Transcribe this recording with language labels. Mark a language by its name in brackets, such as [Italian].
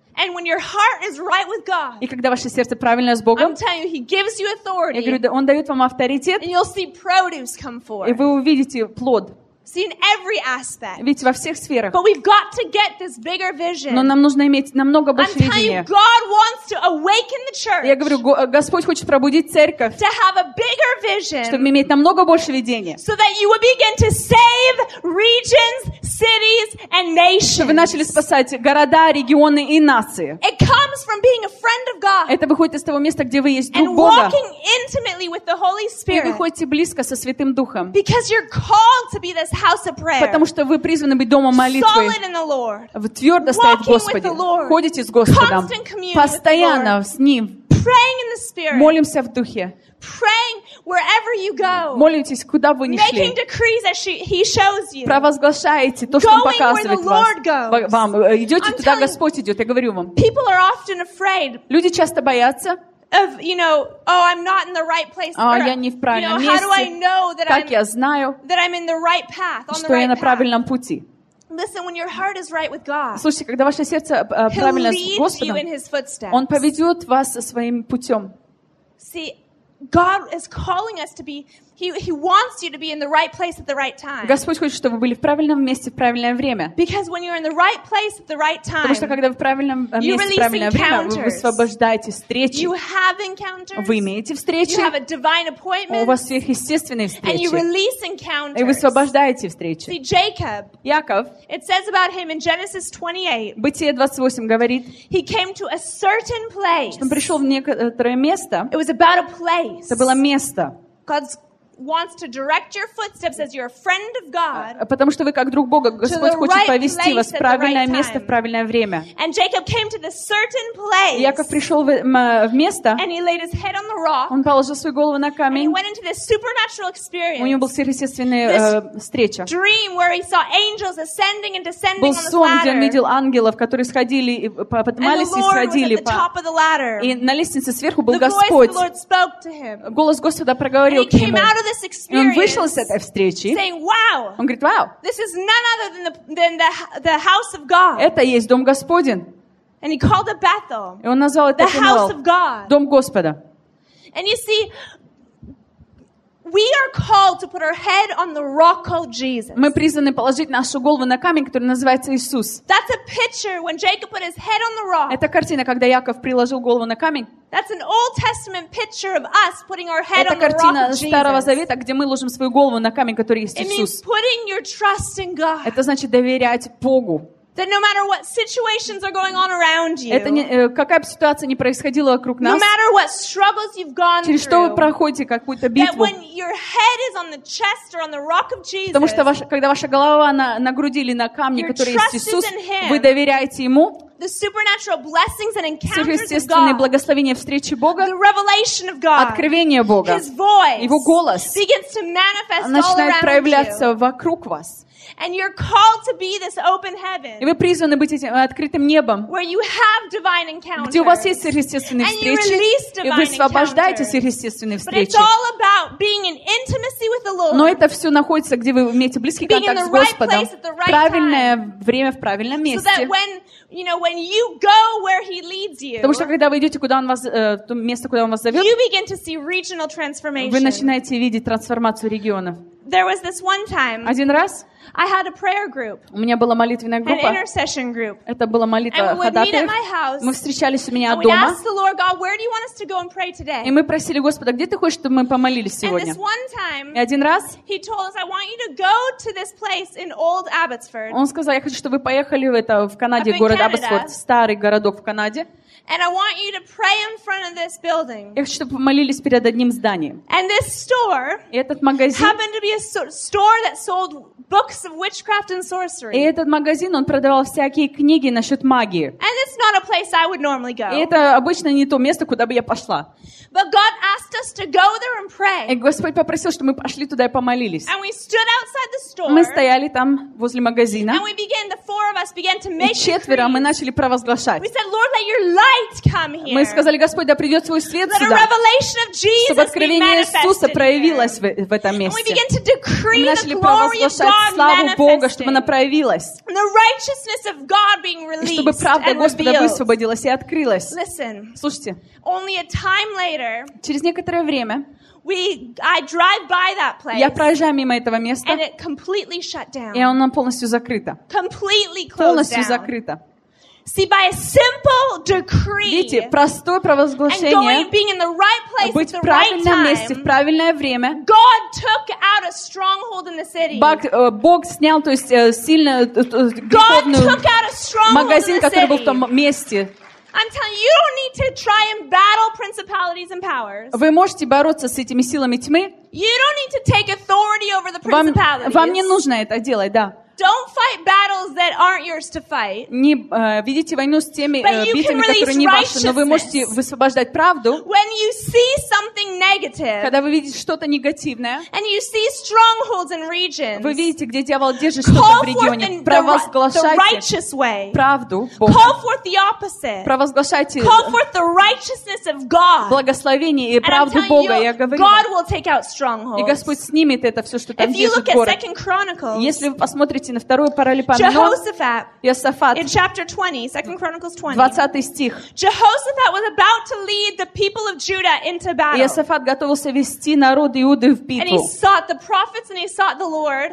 [English] And when your heart is right with God, [Russian] и когда ваше сердце правильное с Богом, [English] I'm telling you, He gives you authority, [Russian] я говорю, Он дает вам авторитет, [English] and you'll see produce come forth. [Russian] И вы увидите плод. [English] See in every aspect. [Russian] Видите, во всех сферах. [English] But we've got to get this bigger vision. [Russian] Но нам нужно иметь намного больше видения. [English] I'm telling you, God wants to awaken the church. [Russian] Я говорю, Господь хочет пробудить церковь. [English] To have a bigger vision. [Russian] Чтобы иметь намного больше видения. [English] So that you would begin to save regions, cities, and nations. [Russian] Чтобы вы начали спасать города, регионы и нации. [English] It comes from being a friend of God. [Russian] Это выходит из того места, где вы есть друг [English] and [Russian] Бога. [English] And walking intimately with the Holy Spirit. [Russian] И вы ходите близко со Святым Духом. [English] Because you're called to be this. House of prayer. [Russian] Потому что вы призваны быть домом молитвы. [English] Solid in the Lord. [Russian] Твердо стоять в Господе. Ходите с Господом. Постоянно с Ним. [English] Praying in the Spirit. [Russian] Молимся в Духе. [English] Praying wherever you go. [Russian] Молитесь, куда бы вы ни [English] Making [Russian] шли. [English] Making decrees as He shows you. [Russian] Провозглашаете то, что [English] Going [Russian] Он показывает [English] where the Lord goes. [Russian] Вам. Идете туда, Господь идет, я говорю вам. [English] People are often afraid. [Russian] Люди часто боятся. [English] Of, you know, oh, I'm not in the right place. [Russian] А, я не в правильном месте. [English] You know, how do I know that [Russian] как [English] I'm, [Russian] я знаю, [English] that I'm in the right path, on [Russian] что я на правильном пути? [English] Listen, when your heart is right with God, [Russian] слушайте, когда ваше сердце правильно с Господом, Он поведет вас своим путем. [English] See, God is calling us to be. He wants you to be in the right place at the right time. [Russian] Господь хочет, чтобы вы были в правильном месте в правильное время. [English] Because when you're in the right place at the right time, [Russian] потому что когда вы в правильном месте в правильное время, вы высвобождаете встречи. [English] You have encounters. [Russian] Вы имеете встречи. [English] You have a divine appointment. [Russian] У вас сверхъестественные встречи. [English] And you release encounters. [Russian] И вы высвобождаете встречи. [English] See Jacob. [Russian] Яков. [English] It says about him in Genesis 28. [Russian] Бытие 28 говорит. [English] He came to a certain place. [Russian] Он пришел в некоторое место. [English] It was about a place. [Russian] Это было место. [English] God's wants to direct your footsteps as you're a friend of God. [Russian] Потому что вы как друг Бога, Господь хочет повести вас в правильное место в правильное время. [English] And Jacob came to the certain place. [Russian] Яков пришел в место. [English] And he laid his head on the rock. [Russian] Он положил свою голову на камень. [English] And he went into this supernatural experience. [Russian] У него была сверхъестественная встреча. [English] Dream where he saw angels ascending and descending on the ladder. [Russian] Был сон, где он видел ангелов, которые сходили и поднимались и сходили по. [English] And the Lord was at the top of the ladder. [Russian] И на лестнице сверху был Господь. [English] The voice of the Lord spoke to him. [Russian] Голос Господа проговорил к нему. [English] This experience, [Russian] и он вышел из этой встречи. [English] Saying, wow, [Russian] он говорит, вау. [English] This is none other than the house of God. [Russian] Это есть дом Господен. [English] And he called it Bethel. [Russian] И он назвал это [English] the house of God. [Russian] Дом Господа. [English] And you see, we are called to put our head on the rock called Jesus. [Russian] Мы призваны положить нашу голову на камень, который называется Иисус. [English] That's a picture when Jacob put his head on the rock. [Russian] Это картина, когда Яков приложил голову на камень. [English] That's an Old Testament picture of us putting our head [Russian] это [English] on the rock of Jesus. [Russian] Это картина Старого Завета, где мы ложим свою голову на камень, который есть Иисус. [English] It means putting your trust in God. [Russian] Это значит доверять Богу. [English] That no matter what situations are going on around you. [Russian] Это не, какая бы ситуация ни происходила вокруг нас. [English] No matter what struggles you've gone through. [Russian] Через что вы проходите какую-то битву. [English] That when your head is on the chest or on the rock of Jesus. [Russian] Потому что когда ваша голова на груди или на камне, который есть Иисус, вы доверяете ему. [English] The supernatural blessings and encounters of God. [Russian] Сверхъестественные благословения встречи Бога. [English] The revelation of God. [Russian] Откровение Бога. [English] His voice. [Russian] Его голос. [English] Begins to manifest all around you. [Russian] Начинает проявляться вокруг вас. [English] And you're called to be this open heaven. [Russian] И вы призваны быть этим открытым небом. [English] Where you have divine encounters. [Russian] Где у вас есть сверхъестественные встречи. [English] And you release divine [Russian] и вы освобождаете сверхъестественные встречи. [English] But it's all about being in intimacy with the Lord. [Russian] Но это все находится, где вы имеете близкий [English] being [Russian] контакт с Господом. [English] Being in the right place at the right time. [Russian] Правильное время в правильном месте. [English] So that when, you know, when you go where He leads you. [Russian] Потому что когда вы идете, куда Он вас, то место, куда Он вас зовет. [English] You begin to see regional transformation. [Russian] Вы начинаете видеть трансформацию регионов. [English] There was this one time. [Russian] Один раз. [English] I had a prayer group. [Russian] У меня была молитвенная группа. [English] An intercession group. [Russian] Это была молитва ходатайств. Мы встречались у меня дома. [English] And we asked the Lord God, where do you want us to go and pray today? [Russian] И мы просили Господа, где ты хочешь, чтобы мы помолились сегодня? [English] And this one time. [Russian] И один раз. [English] He told us, I want you to go to this place in Old Abbotsford. [Russian] Он сказал, я хочу, чтобы вы поехали в это в Канаде город Абботсфорд, старый городок в Канаде. [English] And I want you to pray in front of this building. [Russian] Я хочу, чтобы вы молились перед одним зданием. [English] And this store. [Russian] И этот магазин. [English] Happened to be a store that sold books of witchcraft and sorcery. [Russian] И этот магазин, он продавал всякие книги насчет магии. [English] And it's not a place I would normally go. [Russian] И это обычно не то место, куда бы я пошла. [English] But God asked asked us to go there and pray. [Russian] И Господь попросил, чтобы мы пошли туда и помолились. [English] And we stood outside the store. [Russian] Мы стояли там возле магазина. [English] And we began, the four of us began to make. [Russian] И четверо мы начали провозглашать. [English] We said, Lord, let your light come here. [Russian] Мы сказали, Господь, да придет свой свет сюда. [English] Let a revelation of Jesus be manifested. [Russian] Чтобы откровение Иисуса проявилось в этом месте. [English] And we began to decree the glory of God manifested. [Russian] Мы начали провозглашать славу Бога, чтобы она проявилась. [English] And the righteousness of God being released. [Russian] И чтобы правда Господа высвободилась и открылась. [English] Listen. [Russian] Слушайте. [English] Only a time later. [Russian] Через некоторое время. [English] I drive by that place. [Russian] Я проезжаю мимо этого места. [English] And it completely shut down. [Russian] И оно полностью закрыто. [English] Completely closed. [Russian] Полностью закрыто. [English] See, by a simple decree. [Russian] Видите, простое провозглашение. [English] And going, being in the right place at the right time. [Russian] Быть в правильном месте в правильное время. [English] God took out a stronghold in the city. [Russian] Бог снял, то есть сильную духовную. [English] God took out a stronghold. [Russian] Магазин, который был в том месте. [English] I'm telling you, you don't need to try and battle principalities and powers. [Russian] Вы можете бороться с этими силами тьмы. [English] You don't need to take authority over the principalities. [Russian] Вам не нужно это делать, да. [English] Don't fight battles that aren't yours to fight. [Russian] Не ведите войну с теми битвами, которые не ваши, но вы можете высвобождать правду. [English] When you see something negative, [Russian] когда вы видите что-то негативное, [English] and you see strongholds in regions, [Russian] вы видите, где дьявол держит что-то в регионе, провозглашайте [English] righteous way, [Russian] правду Бога. [English] Call forth the opposite. [Russian] Провозглашайте [English] call forth the righteousness of God. [Russian] Благословение и правду [English] and I'm telling [Russian] Бога, [English] you, [Russian] я говорю. [English] God will take out strongholds. [Russian] И Господь снимет это все, что там держит город. [English] Second Chronicles, [Russian] если вы посмотрите на вторую паралипоменон, Иосафат, [English] in chapter 20, 2 Chronicles 20, [Russian] 20 стих. [English] Jehoshaphat was about to lead the people of Judah into battle. [Russian] Иосафат готовился вести народ Иуды в битву. [English] And he sought the prophets and he sought the Lord.